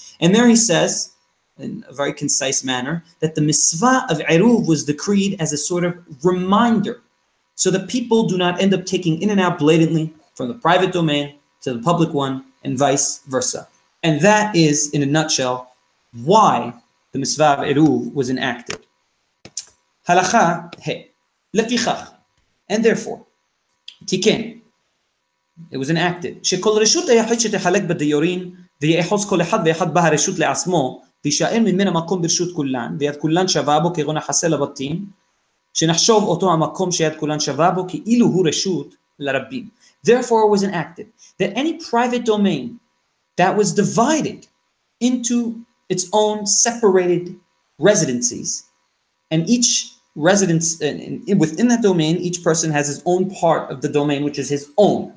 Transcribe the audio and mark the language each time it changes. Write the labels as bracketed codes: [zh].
[en] And there he says, in a very concise manner, that the mitzvah of Eruv was decreed as a sort of reminder so that people do not end up taking in and out blatantly from the private domain to the public one and vice versa. And that is, in a nutshell, why the mitzvah of Eruv was enacted. Halacha he, lefichach, and therefore, tikin, it was enacted. [he] Shekol reshut ayachit shetechalek b'dayorin v'yeichos kol echad v'echad b'ha reshut le'asmo וישאר ממנה מקום ברשות כולן, ויד כולן שווה בו כגון החסה לבתים, שנחשוב אותו המקום שיד כולן שווה בו כאילו הוא רשות לרבים. [en] Therefore it was enacted that any private domain that was divided into its own separated residencies, and each residents in within that domain, each person has his own part of the domain, which is his own.